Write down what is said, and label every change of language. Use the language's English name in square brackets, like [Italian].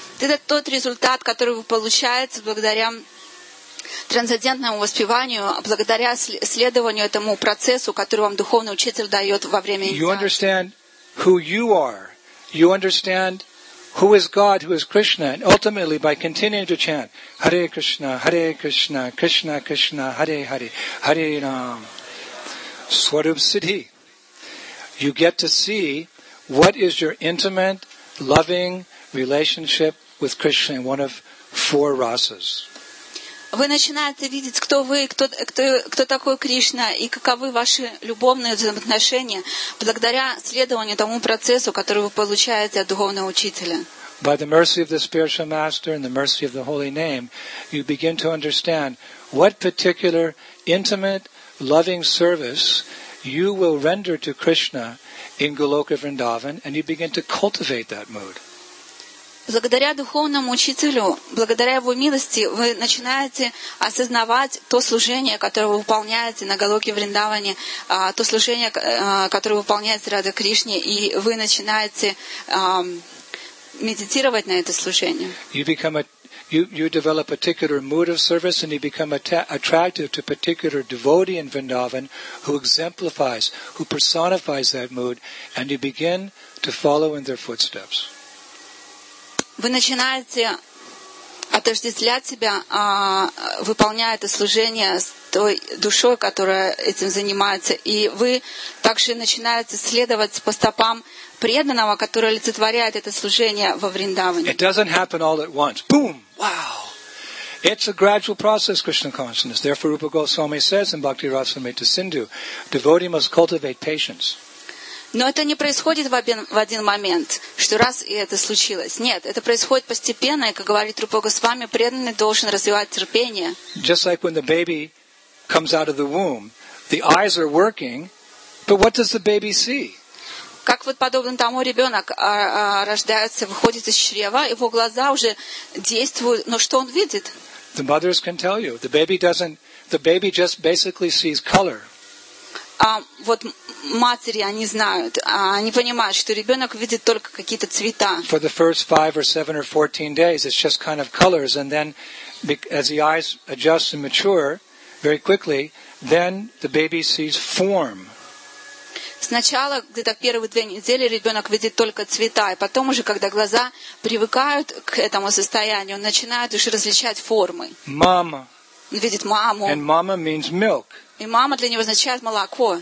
[Russian] Это тот результат, который получается благодаря трансцендентному воспеванию, благодаря следованию этому процессу, который вам духовный учитель дает во время инициации. [English] You understand who you are. You understand who is God, who is Krishna. And ultimately, by continuing to chant, Hare Krishna, Hare Krishna, Krishna Krishna, Hare Hare, Hare Ram, Swarup Siddhi, you get to see what is your intimate, loving relationship with Krishna in one of four rasas. [Russian] Вы начинаете видеть, кто вы, кто такой Кришна и каковы ваши любовные взаимоотношения благодаря следованию тому процессу, который вы получаете от духовного учителя. [English] By the mercy of the spiritual master and the mercy of the holy name, you begin to understand what particular intimate, loving service you will render to Krishna in Goloka Vrindavan, and you begin to cultivate that mood. [Russian] Благодаря духовному учителю, благодаря его милости, вы начинаете осознавать то служение, которое вы выполняете на Голоке Вриндаване, то служение, которое вы выполняете Радхе Кришне, и вы начинаете медитировать на это служение. [English] You develop a particular mood of service, and you become attractive to a particular devotee in Vrindavan who exemplifies, who personifies that mood, and you begin to follow in their footsteps. [Russian] Вы начинаете отождествлять себя, выполняя это служение с той душой, которая этим занимается, и вы также начинаете следовать по стопам преданного, который олицетворяет это служение во Вриндаване. [English] It doesn't happen all at once. Boom! Wow! It's a gradual process, Krishna consciousness. Therefore, Rupa Goswami says in Bhakti Rasamrita Sindhu, devotee must cultivate patience. [Russian] Но это не происходит в один момент, что раз и это случилось. Нет, это происходит постепенно, и, как говорит Рупа Госвами, преданный должен развивать терпение. [English] Just like when the baby comes out of the womb, the eyes are working, but what does the baby see? [Russian] Как вот подобно тому, ребенок рождается, выходит из чрева, его глаза уже действуют, но что он видит? [English] The mothers can tell you. The baby just basically sees color. [Russian] Вот матери, они знают, они понимают, что ребенок видит только какие-то цвета. [English] For the first 5 or 7 or 14 days, it's just kind of colors, and then as the eyes adjust and mature very quickly, then the baby sees form. [Russian] Сначала, где-то первые 2 недели, ребенок видит только цвета, и потом уже, когда глаза привыкают к этому состоянию, он начинает уже различать формы. Мама. Он видит маму. [English] And mama means milk. [Russian] И мама для него означает молоко.